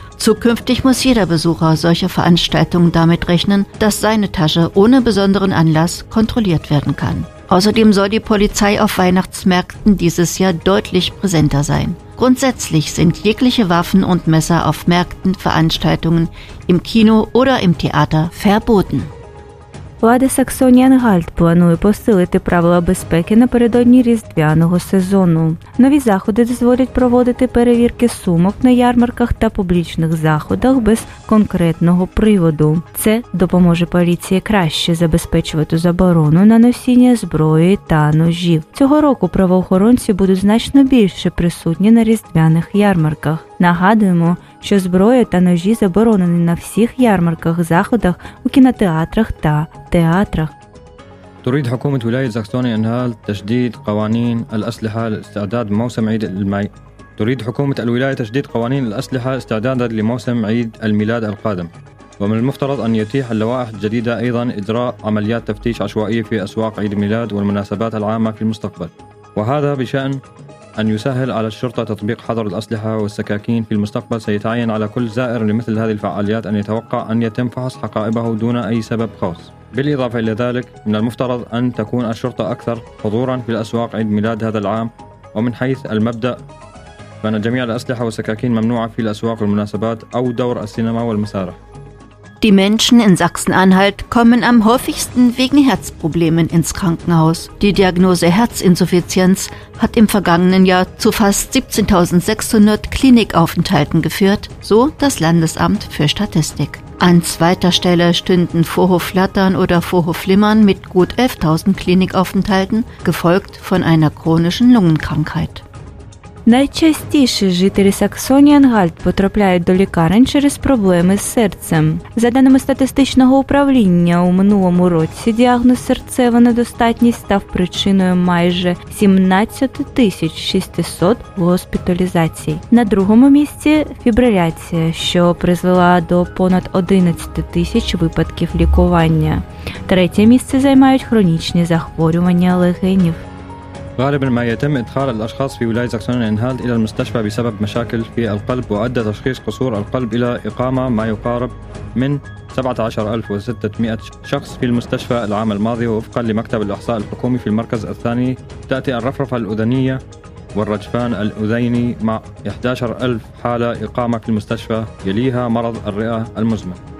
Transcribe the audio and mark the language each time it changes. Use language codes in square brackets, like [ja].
[de] Zukünftig muss jeder Besucher solcher Veranstaltungen damit rechnen, dass seine Tasche ohne besonderen Anlass kontrolliert werden kann. Außerdem soll die Polizei auf Weihnachtsmärkten dieses Jahr deutlich präsenter sein. Grundsätzlich sind jegliche Waffen und Messer auf Märkten, Veranstaltungen, im Kino oder im Theater verboten. [uk] Влада Саксоні-Анхальт планує посилити правила безпеки напередодні різдвяного сезону. Нові заходи дозволять проводити перевірки сумок на ярмарках та публічних заходах без конкретного приводу. Це допоможе поліції краще забезпечувати заборону на носіння зброї та ножів. Цього року правоохоронці будуть значно більше присутні на різдвяних ярмарках. Нагадуємо, що зброя та ножі заборонені на всіх ярмарках, заходах, у кінотеатрах та театрах. [ar] تريد حكومة ولاية ساكسوني-أنهالت تشديد قوانين الأسلحة لاستعداد موسم عيد الميلاد. تريد حكومة الولاية تشديد قوانين الأسلحة استعدادا لموسم عيد الميلاد القادم. ومن المفترض أن يتيح اللوائح الجديدة أيضا إجراء عمليات تفتيش عشوائية في أسواق عيد الميلاد والمناسبات العامة في المستقبل، وهذا بشأن أن يسهل على الشرطة تطبيق حظر الأسلحة والسكاكين في المستقبل. سيتعين على كل زائر لمثل هذه الفعاليات أن يتوقع أن يتم فحص حقائبه دون أي سبب خاص. بالإضافة إلى ذلك، من المفترض أن تكون الشرطة أكثر حضورا في الأسواق عيد ميلاد هذا العام. ومن حيث المبدأ فأن جميع الأسلحة والسكاكين ممنوعة في الأسواق والمناسبات أو دور السينما والمسارح. [de] Die Menschen in Sachsen-Anhalt kommen am häufigsten wegen Herzproblemen ins Krankenhaus. Die Diagnose Herzinsuffizienz hat im vergangenen Jahr zu fast 17.600 Klinikaufenthalten geführt, so das Landesamt für Statistik. An zweiter Stelle stünden Vorhofflattern oder Vorhofflimmern mit gut 11.000 Klinikaufenthalten, gefolgt von einer chronischen Lungenkrankheit. [uk] Найчастіше жителі Саксонії-Анхальт потрапляють до лікарень через проблеми з серцем. За даними статистичного управління, у минулому році діагноз серцева недостатність став причиною майже 17600 госпіталізацій. На другому місці – фібриляція, що призвела до понад 11000 випадків лікування. Третє місце займають хронічні захворювання легенів. [ar] غالبا ما يتم إدخال الأشخاص في ولاية ساكسون-أنهالت إلى المستشفى بسبب مشاكل في القلب، وأدى تشخيص قصور القلب إلى إقامة ما يقارب من 17600 شخص في المستشفى العام الماضي. ووفقا لمكتب الإحصاء الحكومي في المركز الثاني، تأتي الرفرفة الأذنية والرجفان الأذيني مع 11000 حالة إقامة في المستشفى، يليها مرض الرئة المزمن.